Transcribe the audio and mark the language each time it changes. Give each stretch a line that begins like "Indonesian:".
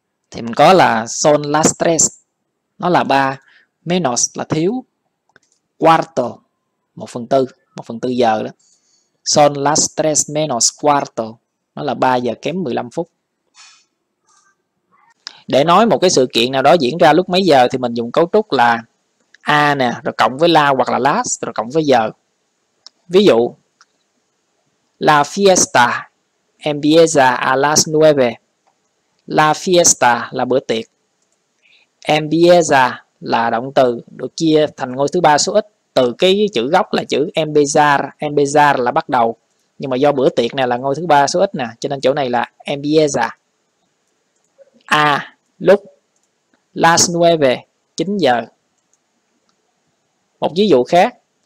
Vietnamese: Thì mình có là son las tres. Nó là 3, menos là thiếu, cuarto 1/4, 1/4 giờ đó.
Spanish: Son las tres menos cuarto.
Vietnamese: Nó là 3 giờ kém 15 phút. Để nói một cái sự kiện nào đó diễn ra lúc mấy giờ thì mình dùng cấu trúc là a nè, rồi cộng với la hoặc là last, rồi cộng với giờ. Ví dụ,
Spanish: la fiesta empieza a las 9.
Vietnamese: La fiesta là bữa tiệc. Empieza là động từ được chia thành ngôi thứ ba số ít từ cái chữ gốc là chữ empezar. Empezar là bắt đầu. Nhưng mà do bữa tiệc này là ngôi thứ ba số ít nè, cho nên chỗ này là empieza. A lúc las 9, 9 giờ. Một ví dụ khác.